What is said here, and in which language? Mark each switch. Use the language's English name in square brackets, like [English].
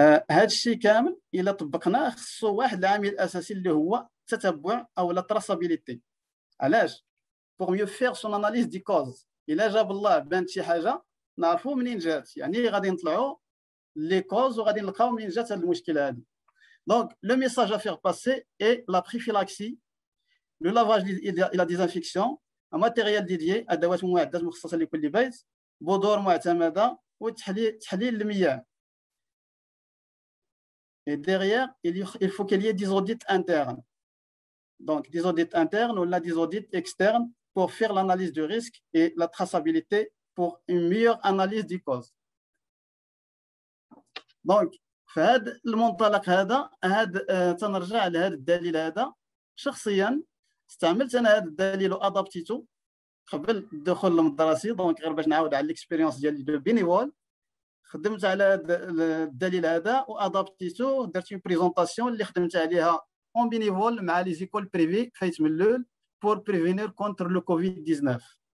[Arabic] هذا الشيء كامل الا طبقناه خصو واحد العامل الاساسي اللي هو تتبع او لا تراسابيليتي. علاش؟ [French] بور ميو فير سون اناليز دي كوز. [Arabic] الا جاب الله بان شي حاجه نعرفوا منين جات، يعني غادي نطلعوا لي كوز وغادي نلقاو منين جات هذه المشكله هذه. [French] Donc, le message à faire passer est la prophylaxie, le lavage et la désinfection, un matériel dédié à la désinfection de la désinfection. Et derrière, il faut qu'il y ait des audits internes. Donc, des audits internes ou des audits externes pour faire l'analyse du risque et la traçabilité pour une meilleure analyse des causes. [Arabic] Donc, فهاد المنطلق هذا، هاد تنرجع لهاد الدليل هذا. شخصيا استعملت انا هاد الدليل وادابتيتو قبل الدخول للمدرسي، دونك غير باش نعاود على الاكسبيريونس ديالي دو بينيفول. خدمت على هاد الدليل هذا وادابتيتو، درت اون بريزونطاسيون اللي خدمت عليها اون بينيفول مع لي زيكول بريفي فايت من لول بور بريفينير كونتر لو كوفيد 19.